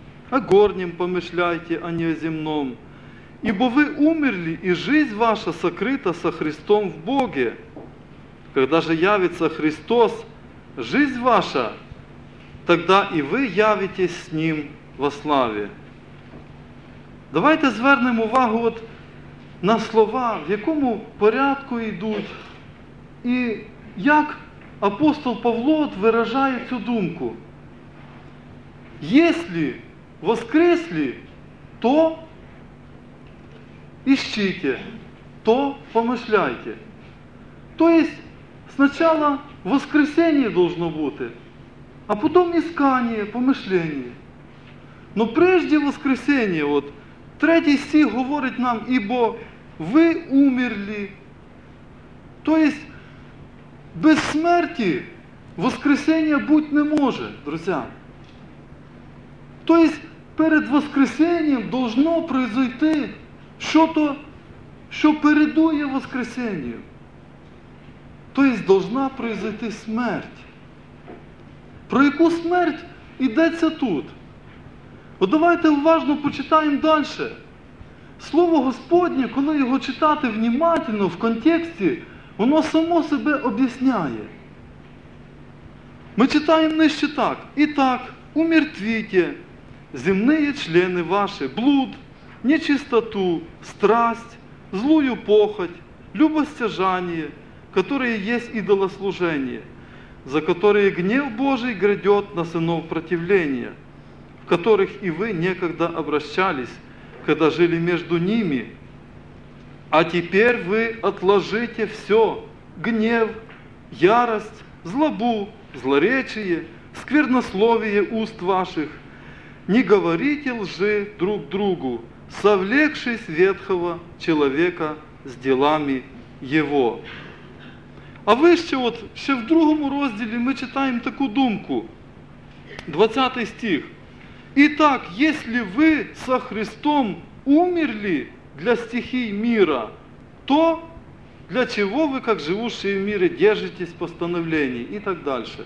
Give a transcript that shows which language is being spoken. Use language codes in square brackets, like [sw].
[ru] О горнем помышляйте, а не о земном. Ибо вы умерли, и жизнь ваша сокрыта со Христом в Боге. Когда же явится Христос, жизнь ваша, тогда и вы явитесь с Ним во славе. [uk] Давайте звернем увагу от на слова, в якому порядку йдуть. І як апостол Павло виражає цю думку? Єслі воскреслі, то іщіте, то помишляйте. Тобто, спочатку воскресіння должно бути, а потім іскання, помишлення. Но прежде воскресіння, от третій стих говорить нам, ібо ви умерли. Тобто, без смерті воскресіння бути не може, друзі. Тобто перед воскресінням должно произойти щось, що передує воскресінню. Тобто должна произойти смерть. Про яку смерть йдеться тут? От давайте уважно почитаємо далі. Слово Господнє, коли його читати внимательно, в контексті, воно само себе об'ясняє. Ми читаємо нижче так. І так, умертвіте земні члени ваші, [ru] блуд, нечистоту, страсть, злую похоть, любостяжання, которые есть идолослужение, за которые гнев Божий грядет на сынов противления, в которых и вы некогда обращались, когда жили между ними. А теперь вы отложите все – гнев, ярость, злобу, злоречие, сквернословие уст ваших. Не говорите лжи друг другу, совлекшись ветхого человека с делами его. [uk] А вище, от, ще в другому розділі ми читаємо таку думку, 20 стих. І так, якщо ви со Христом умерли для стихій міра, то для чого ви, як живучі в мірі, держитесь постановлення? І так далі.